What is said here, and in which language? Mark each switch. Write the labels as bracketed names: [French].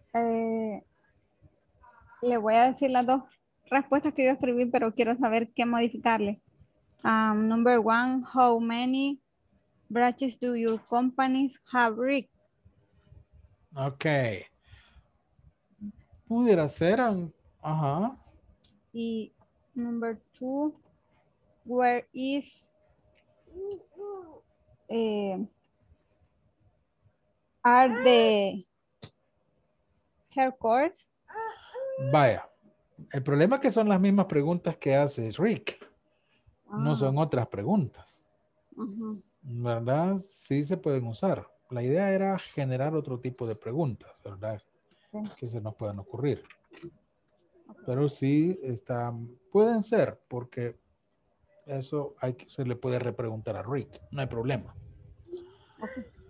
[Spanish] Le voy a decir las dos respuestas que yo escribí, pero quiero saber qué modificarle. [English] Number one, how many branches do your companies have, Rick? [Spanish] Okay. Pudiera ser, ajá. [English] Y number two, where is are the headquarters? [Spanish] Vaya, el problema es que son las mismas preguntas que hace Rick. No son otras preguntas. ¿Verdad? Sí se pueden usar. La idea era generar otro tipo de preguntas, ¿verdad? Que se nos puedan ocurrir. Pero sí está, pueden ser, porque eso hay que, se le puede repreguntar a Rick. No hay problema. Okay.